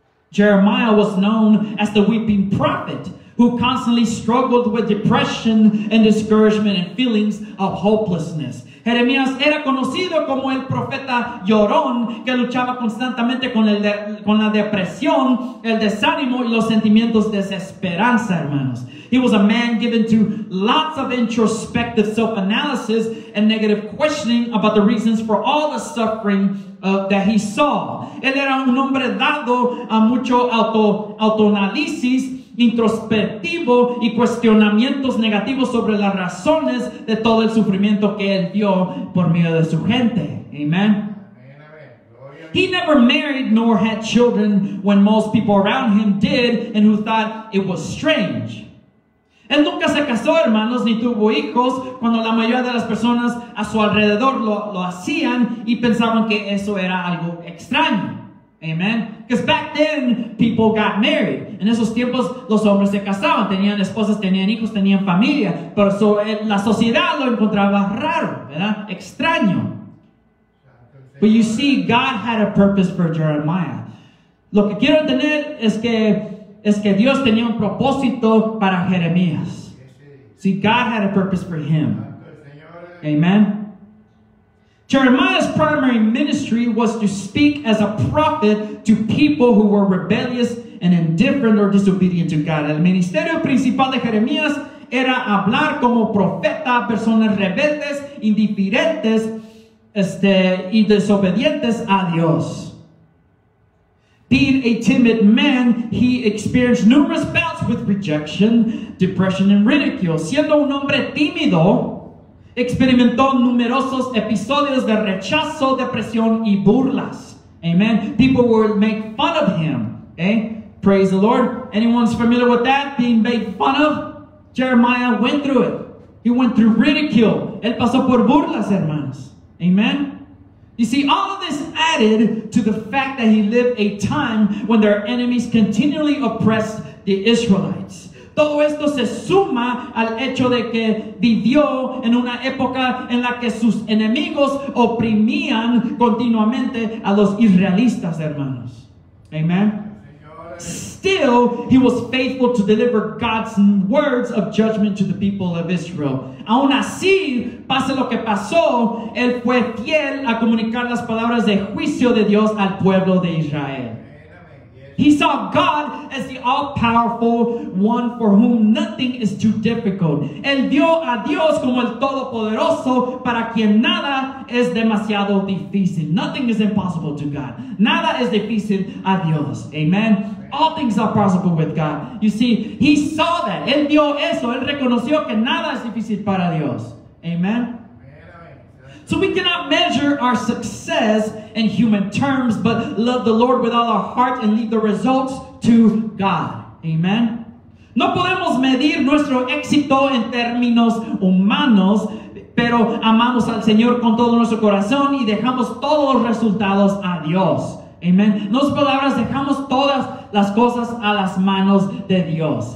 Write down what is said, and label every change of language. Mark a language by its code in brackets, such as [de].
[en] Jeremiah was known as the weeping prophet who constantly struggled with depression and discouragement and feelings of hopelessness. [es] Jeremías era conocido como el profeta llorón que luchaba constantemente con la depresión, el desánimo y los sentimientos de desesperanza, hermanos. [en] He was a man given to lots of introspective self-analysis and negative questioning about the reasons for all the suffering that he saw. [es] Él era un hombre dado a mucho autoanálisis, introspectivo y cuestionamientos negativos sobre las razones de todo el sufrimiento que él vio por medio de su gente. Amen. [en] He never married nor had children when most people around him did and who thought it was strange. [es] Él nunca se casó, hermanos, ni tuvo hijos cuando la mayoría de las personas a su alrededor lo hacían y pensaban que eso era algo extraño. [en] Amen. Because back then, people got married. [es] En esos tiempos, los hombres se casaban. Tenían esposas, tenían hijos, tenían familia. Pero so, la sociedad lo encontraba raro, ¿verdad? Extraño. [en] But you see, God had a purpose for Jeremiah. [es] Lo que quiero entender es que Dios tenía un propósito para Jeremías. [en] See, God had a purpose for him. Amen. Jeremiah's primary ministry was to speak as a prophet to people who were rebellious and indifferent or disobedient to God. [es] El ministerio principal de Jeremías era hablar como profeta a personas rebeldes, indiferentes, y desobedientes a Dios. [en] Being a timid man, he experienced numerous bouts with rejection, depression, and ridicule. [es] Siendo un hombre tímido, experimentó numerosos episodios de rechazo, depresión, y burlas. [en] Amen. People would make fun of him. Okay? Praise the Lord. Anyone's familiar with that? Being made fun of? Jeremiah went through it. He went through ridicule. [es] Él pasó por burlas, hermanos. Amen. [en] You see, all of this added to the fact that he lived a time when their enemies continually oppressed the Israelites. [es] Todo esto se suma al hecho de que vivió en una época en la que sus enemigos oprimían continuamente a los israelitas, hermanos. Amen. [en] Still, he was faithful to deliver God's words of judgment to the people of Israel. [es] Aún así, pase lo que pasó, él fue fiel a comunicar las palabras de juicio de Dios al pueblo de Israel. [en] He saw God as the all-powerful one for whom nothing is too difficult. [es] Él vio a Dios como el todopoderoso para quien nada es demasiado difícil. [en] Nothing is impossible to God. [es] Nada es difícil a Dios. [en] Amen. All things are possible with God. You see, he saw that. [es] Él vio eso. Él reconoció que nada es difícil para Dios. Amen. [en] So we cannot measure our success in human terms, but love the Lord with all our heart and leave the results to God. Amen. [es] No podemos medir nuestro éxito en términos humanos, pero amamos al Señor con todo nuestro corazón y dejamos todos los resultados a Dios. Amen. En otras palabras, dejamos todas las cosas a las manos de Dios.